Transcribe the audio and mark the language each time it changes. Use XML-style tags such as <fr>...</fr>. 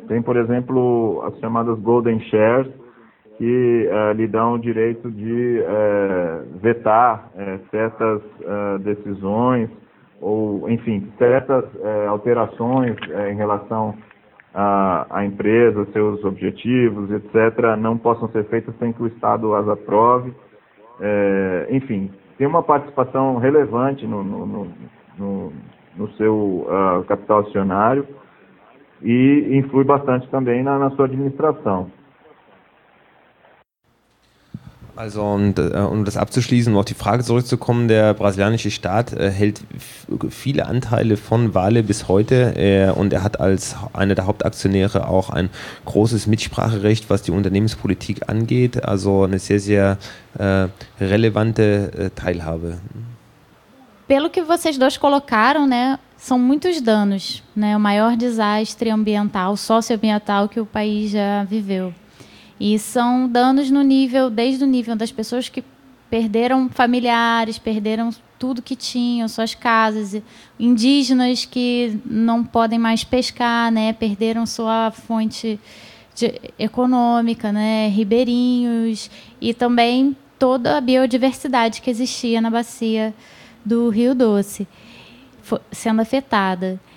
<pt>Tem, por exemplo, as chamadas Golden Shares, que lhe dão o direito de vetar certas decisões ou, enfim, certas alterações em relação à empresa, seus objetivos, etc., não possam ser feitas sem que o Estado as aprove. Enfim, tem uma participação relevante no seu capital acionário e influi bastante também na sua administração.</pt> <de>Also um das abzuschließen, um auf die Frage zurückzukommen, der brasilianische Staat hält viele Anteile von Vale bis heute und er hat als einer der Hauptaktionäre auch ein großes Mitspracherecht, was die Unternehmenspolitik angeht, also eine sehr, sehr relevante Teilhabe.</de> <pt>Pelo que vocês dois colocaram, né, são muitos danos, né, o maior desastre ambiental, socioambiental que o país já viveu. E são danos no nível, desde o nível das pessoas que perderam familiares, perderam tudo que tinham, suas casas, indígenas que não podem mais pescar, né, perderam sua fonte econômica, né, ribeirinhos, e também toda a biodiversidade que existia na bacia do Rio Doce, sendo afetada.</pt>